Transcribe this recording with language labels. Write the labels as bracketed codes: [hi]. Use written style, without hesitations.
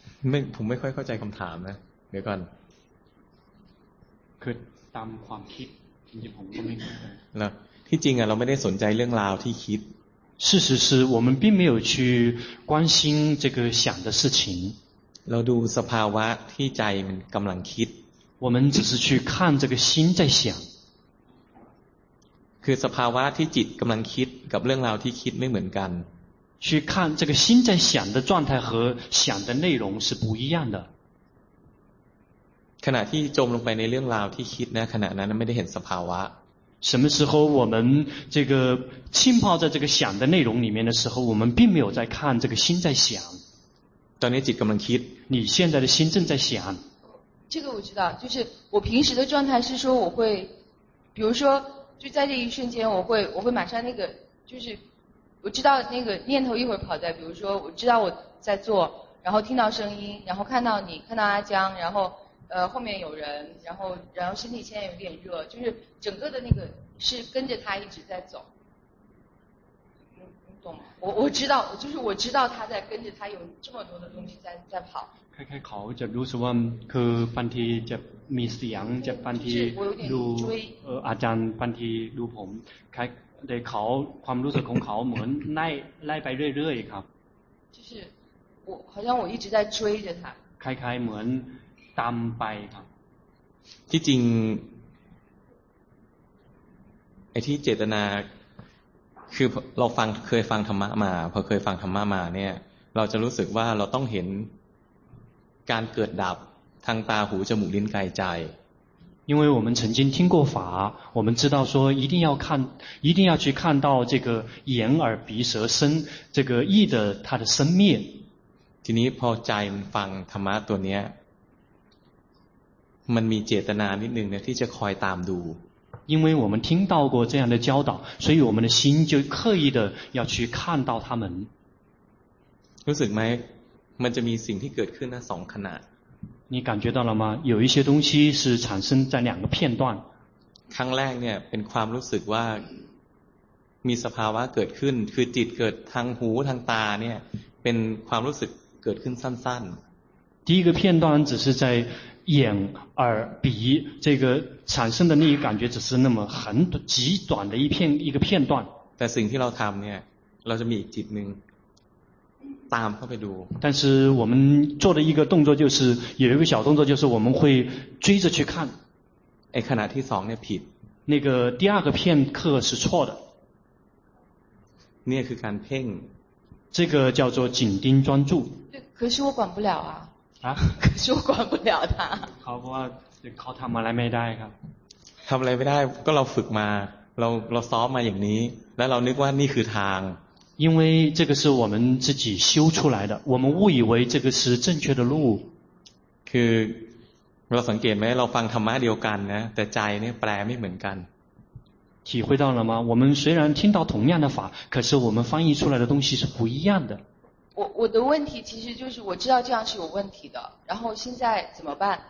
[th] ไม่ผมไม่ค่อยเข้าใจคำถามนะเดี๋ยวก่อน คือตามความคิดจริงๆผมก็ไม่เข้าใจที่จริงอ่ะเราไม่ได้สนใจเรื่องราวที่คิด [zh] 事实是我们并没有去关心这个想的事情 [th] เราดูสภาวะที่ใจมันกำลังคิด [zh] 我们只是去看这个心在想 [th] คือสภาวะที่จิตกำลังคิดกับเรื่องราวที่คิดไม่เหมือนกัน [zh] 去看这个心在想的状态和想的内容是不一样的 [th] ขณะที่จมลงไปในเรื่องราวที่คิดนะขณะนั้นไม่ได้เห็นสภาวะ [zh] 什么时候我们这个浸泡在这个想的内容里面的时候我们并没有在看这个心在想 [th] ตอนนี้จิตกำลังคิด [zh] 你现在的心正在想这个我知道就是我平时的状态是说我会比如说就在这一瞬间我会马上那个就是我知道那个念头一会儿跑在比如说我知道我在做然后听到声音然后看到你看到阿江然后后面有人然后身体现在有点热就是整个的那个是跟着他一直在走你懂吗我知道就是我知道他在跟着他有这么多的东西在跑 [th] คือเขาจะรู้สึกว่าคือบางทีจะมีเสียงจะบางทีดูอาจารย์บางทีดูผมคล้ายเขาความรู้สึกของเขาเหมือนไล่ไปเรื่อยๆครับ [zh] 就是我好像我一直在追着他 [th] คล้ายๆเหมือนตามไปครับ ที่จริงไอ้ที่เจตนาคือเราฟังเคยฟังธรรมะมาพอเคยฟังธรรมะมาเนี่ยเราจะรู้สึกว่าเราต้องเห็นการเกิดดับทางตาหูจมูกลิ้นกายใจ [zh] 因为我们曾经听过法我们知道说一定要去看到这个眼耳鼻舌身这个意的它的生灭 [th] ทีนี้พอใจมันฟังธรรมะตัวเนี้ยมันมีเจตนานิดนึงเนี่ยที่จะคอยตามดู [zh] 因为我们听到过这样的教导所以我们的心就刻意的要去看到它们 [th] รู้สึกไหมมันจะมีสิ่งที่เกิดขึ้นนะสองขณะ [zh] 你感觉到了吗有一些东西是产生在两个片段 [th] ครั้งแรกเนี่ยเป็นความรู้สึกว่ามีสภาวะเกิดขึ้นคือจิตเกิดทางหูทางตาเนี่ยเป็นความรู้สึกเกิดขึ้นสั้น [zh] ๆ第一个片段只是在眼耳鼻这个产生的那一感觉只是那么很极短的一个片段 [th] แต่สิ่งที่เราทำเนี่ยเราจะมีอีกจิตหนึ่งตามเข้าไปดู [zh] 但是我们做的一个动作就是有一个小动作就是我们会追着去看 [th] ไอ้ขณะที่สองเนี่ยผิด [zh] 那个第二个片刻是错的 [th] นี่คือการเพ่ง [zh] 这个叫做紧盯专注可是我管不了啊啊可是我管不了他好吧 [th] เขาทำอะไรไม่ได้ครับ ทำอะไรไม่ได้ก็เราฝึกมาเราซ้อมมาอย่างนี้แล้วเรานึกว่านี่คือทาง [zh] 因为这个是我们自己修出来的我们误以为这个是正确的路 [th] คือเราสังเกตไหมเราฟังธรรมะเดียวกันนะแต่ใจเนี่ยแปลไม่เหมือนกัน [zh] 体会到了吗我们虽然听到同样的法可是我们翻译出来的东西是不一样的我的问题其实就是我知道这样是有问题的然后现在怎么办